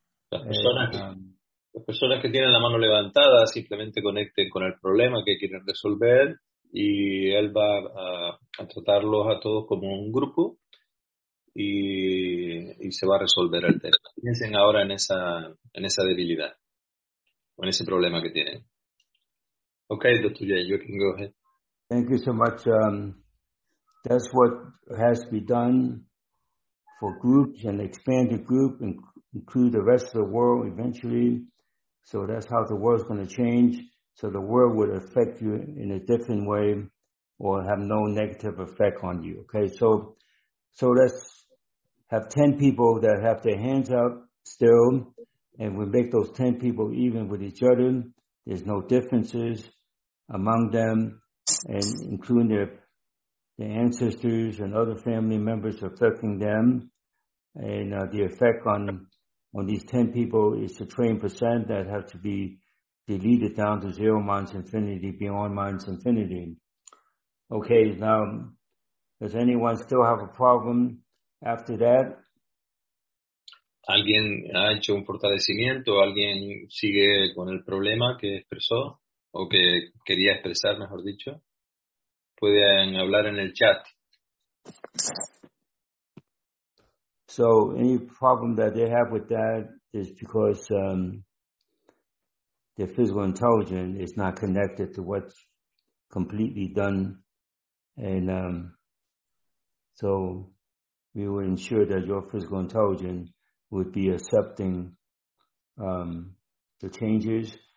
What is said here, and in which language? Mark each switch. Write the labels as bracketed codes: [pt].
[es] Las personas que tienen la mano levantada simplemente conecten con el problema que quieren resolver y él va a tratarlos a todos como un grupo y se va a resolver el tema. Piensen ahora en esa debilidad o en ese problema que tienen. [en] Okay, Dr. Yuen, you can go ahead. Thank you so much. That's what has to be done for groups and expand the group and include the rest of the world eventually. So that's how the world's going to change. So the world would affect you in a different way or have no negative effect on you. Okay, so let's have 10 people that have their hands up still, and we make those 10 people even with each other. There's no differences among them, and including their ancestors and other family members affecting them. And the effect on these 10 people is the 20% that have to be deleted down to zero minus infinity, beyond minus infinity. Okay, now, does anyone still have a problem after that? [es] alguien ha hecho un fortalecimiento, alguien sigue con el problema que expresó o que quería expresar, mejor dicho, pueden hablar en el chat. [en] So any problem that they have with that is because their physical intelligence is not connected to what's completely done. And so we will ensure that your physical intelligence would be accepting the changes.